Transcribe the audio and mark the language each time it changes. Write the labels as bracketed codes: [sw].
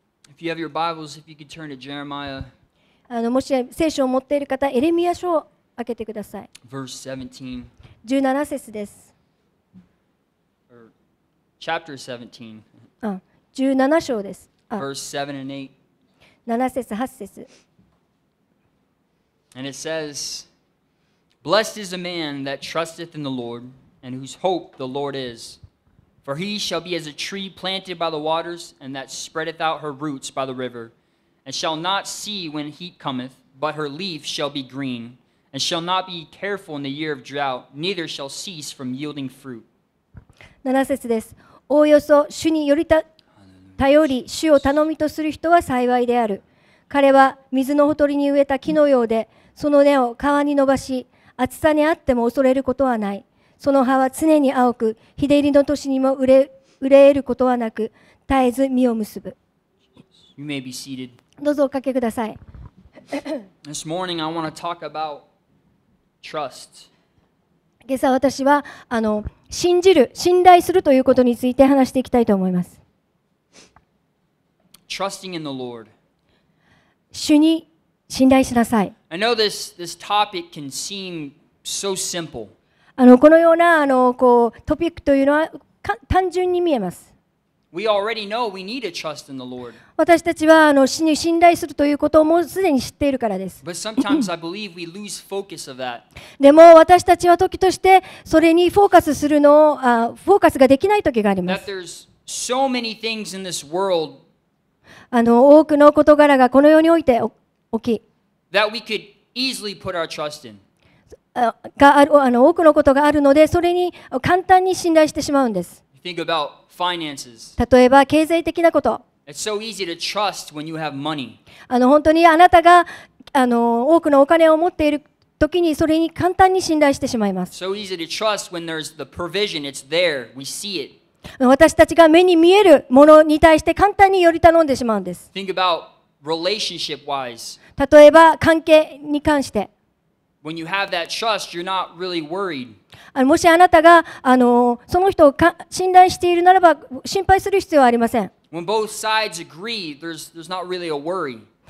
[en] If you have your Bibles, if you could turn to Jeremiah. [ja] もし聖書を持っている方、エレミア書を開けてください。 [en] Verse 17. [ja] 17節です。 [en] Chapter [ja] 17. 17章です。 [en] Verse 7 and 8. [ja] 7節、8節。 [en] And it says, Blessed is a man that trusteth in the Lord, and whose hope the Lord is. For he shall be as a tree planted by the waters, and that spreadeth out her roots by the river, and shall not see when heat cometh, but her leaf shall be green, and shall not be careful in the year of drought, neither shall cease from yielding fruit. [ja] 7節です。おおよそ主によりた頼り、主を頼みとする人は幸いである。彼は水のほとりに植えた木のようで、その根を川に伸ばし、暑さにあっても恐れることはない。その葉は常に青く、日照りの年にも憂えることはなく、絶えず実を結ぶ。 [en] You may be seated. [ja] どうぞおかけください。 [en] This morning I want to talk about trust. [ja] 今朝私は信じる、信頼するということについて話していきたいと思います。 [en] Trusting in the Lord. [ja] 主に信頼しなさい。 [en] I know this topic can seem so simple. [ja] このようなこうトピックというのは単純に見えます。 [en] We already know we need to trust in the Lord. [ja] 私たちは主に信頼するということをもうすでに知っているからです。 [en] But sometimes I believe we lose focus of that. [ja] でも私たちは時としてそれにフォーカスができない時があります。 [en] That there's so many things in this world. [ja] 多くの事柄がこの世において起き。 [en] That we could easily put our trust in. [ja] がある多くのことがあるのでそれに簡単に信頼してしまうんです。 [en] Think about finances. [ja] 例えば経済的なこと。 [en] It's so easy to trust when you have money. [ja] 本当にあなたが多くのお金を持っている時にそれに簡単に信頼してしまいます。 [en] So easy to trust when there's the provision. It's there. We see it. [ja] 私たちが目に見えるものに対して簡単により頼んでしまうんです。 [en] Think about relationship wise. [ja] 例えば関係に関して。 [en] When you have that trust, you're not really worried. [ja] もしあなたがその人を信頼しているならば心配する必要はありません。 [en] When both sides agree, there's not really a worry.